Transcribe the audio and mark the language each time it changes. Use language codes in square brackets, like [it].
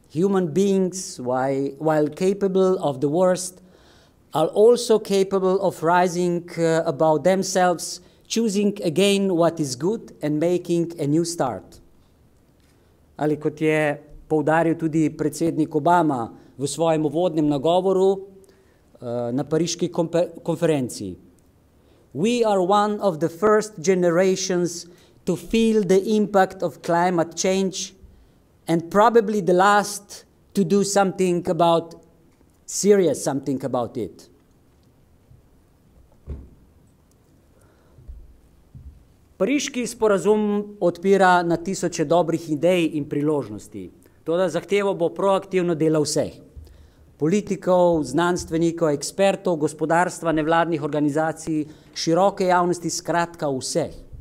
[en] Human beings, while capable of the worst, are also capable of rising about themselves, choosing again what is good and making a new start. [sl] Ali kot je poudaril tudi predsednik Obama v svojem uvodnem nagovoru na Pariški konferenci. [en] We are one of the first generations to feel the impact of climate change and probably the last to do something about, serious something about it. [sl] Pariški sporazum odpira na tisoče dobrih idej in priložnosti. Toda zahtevo bo proaktivno delo vseh. Politikov, znanstvenikov, ekspertov, gospodarstva, nevladnih organizacij, široke javnosti, skratka vseh.